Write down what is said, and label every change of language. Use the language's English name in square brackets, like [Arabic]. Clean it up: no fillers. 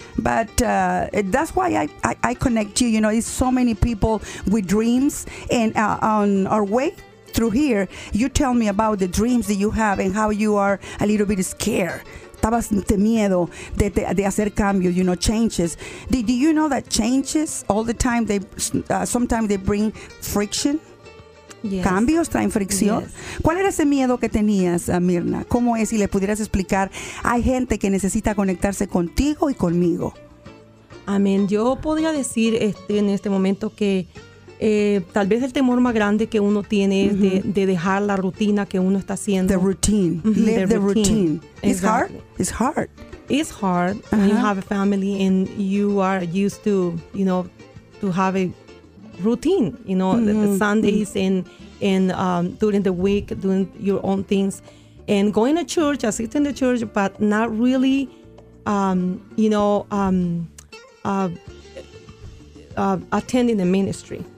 [English] But that's why I connect you. You know, it's so many people with dreams, and on our way through here, you tell me about the dreams that you have and how you are a little bit scared. [Spanish] Estabas de miedo de hacer cambios, [English] you know, changes. Do you know that changes all the time, sometimes they bring friction? Yes. [Spanish] Cambios traen fricción. [English] Yes. [Spanish] ¿Cuál era ese miedo que tenías, Mirna? ¿Cómo es? Si le pudieras explicar, hay gente que necesita conectarse contigo y conmigo. Amén. Yo podría decir en este momento que tal vez el temor más grande que uno tiene es de dejar la rutina que uno está haciendo. [English] The routine. Mm-hmm. Live the routine. It's hard. It's hard. It's hard. Uh-huh. When you have a family and you are used to, you know, to have a routine, you know, mm-hmm. the Sundays and during the week, doing your own things, and going to church, assisting the church, but not really, attending the ministry.